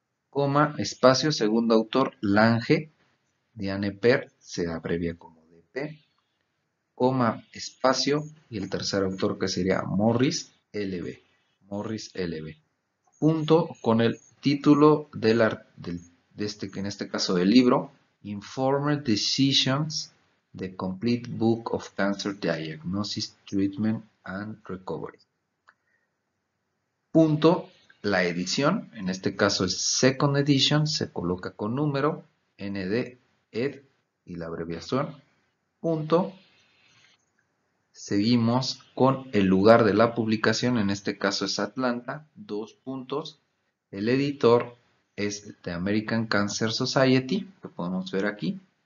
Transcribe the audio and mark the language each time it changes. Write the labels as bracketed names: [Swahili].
[Spanish] Coma, espacio, segundo autor, Lange, Diane Per, se abrevia como DP. Coma, espacio, y el tercer autor que sería Morris LB. Morris LB. Junto con el título de este, que en este caso del libro, Informed Decisions. [English] The Complete Book of Cancer Diagnosis, Treatment and Recovery. [Spanish] Punto, la edición, en este caso es Second Edition, se coloca con número, ND, ED y la abreviación. Punto, seguimos con el lugar de la publicación, en este caso es Atlanta, dos puntos, el editor es The American Cancer Society, lo podemos ver aquí.